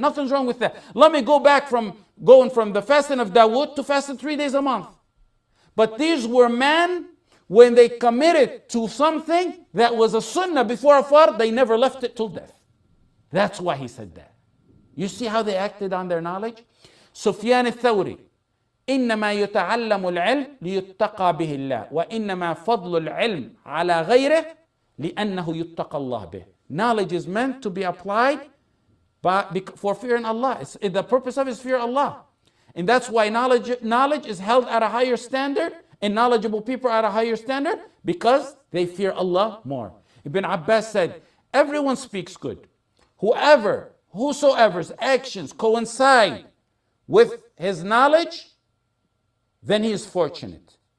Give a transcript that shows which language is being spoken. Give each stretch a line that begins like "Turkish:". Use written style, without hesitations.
English: Nothing's wrong with that. Let me go back from going from the fasting of Dawood to fasting 3 days a month. But these were men, when they committed to something that was a sunnah before a fard, they never left it till death. That's why he said that. You see how they acted on their knowledge? Sufyan al-Thawri.
Arabic: إنما يتعلم العلم ليتقى به الله وإنما فضل العلم على غيره لأنه يتقى الله به.
English: Knowledge is meant to be applied for fearing Allah. The purpose of it is fear Allah. And that's why knowledge is held at a higher standard and knowledgeable people are at a higher standard because they fear Allah more. Ibn Abbas said, everyone speaks good. Whosoever's actions coincide with his knowledge, then he is fortunate.